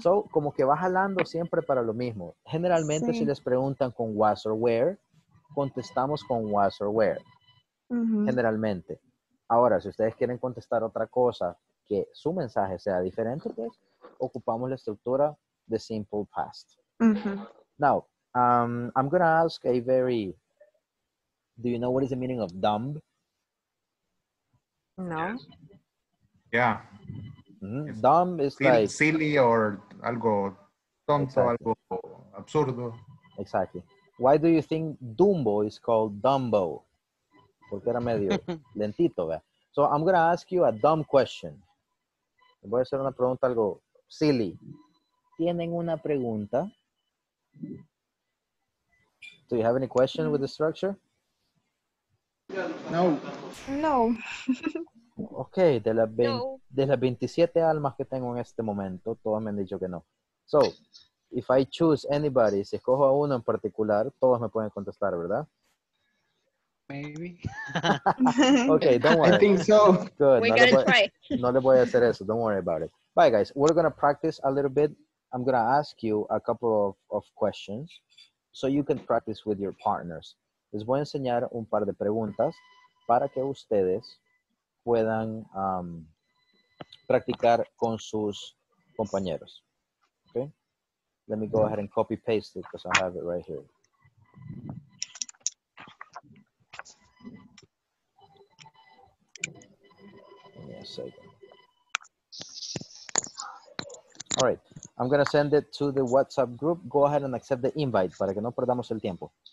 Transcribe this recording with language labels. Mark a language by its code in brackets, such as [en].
[es] So, como que vas hablando siempre para lo mismo. Generalmente, sí. Si les preguntan con was or where, contestamos con was or where. Uh-huh. Generalmente. Ahora, si ustedes quieren contestar otra cosa, que su mensaje sea diferente, pues ocupamos la estructura de simple past. Mm-hmm. [en] Now, I'm going to ask a very, do you know what is the meaning of dumb? No. Yeah. Mm-hmm. Dumb is like silly or [es] algo tonto, [en] exactly. [es] Algo absurdo. [en] Exactly. Why do you think Dumbo is called Dumbo? [es] Porque era medio lentito, ¿ve? [en] So I'm going to ask you a dumb question. [es] Voy a hacer una pregunta algo silly. ¿Tienen una pregunta? [en] Do you have any question with the structure? No. No. [es] Okay, de las 27 almas que tengo en este momento, todas me han dicho que no. [en] So, if I choose anybody, [es] si escojo a uno en particular, todos me pueden contestar, ¿verdad? [en] Maybe. Okay, don't worry. I think so. Good. We gotta try. [es] No le voy a hacer eso. [en] Don't worry about it. Bye, guys. We're going to practice a little bit. I'm going to ask you a couple of questions so you can practice with your partners. [es] Les voy a enseñar un par de preguntas para que ustedes puedan practicar con sus compañeros. [en] Okay? Let me go ahead and copy-paste it because I have it right here. All right, I'm going to send it to the WhatsApp group. Go ahead and accept the invite [es] para que no perdamos el tiempo.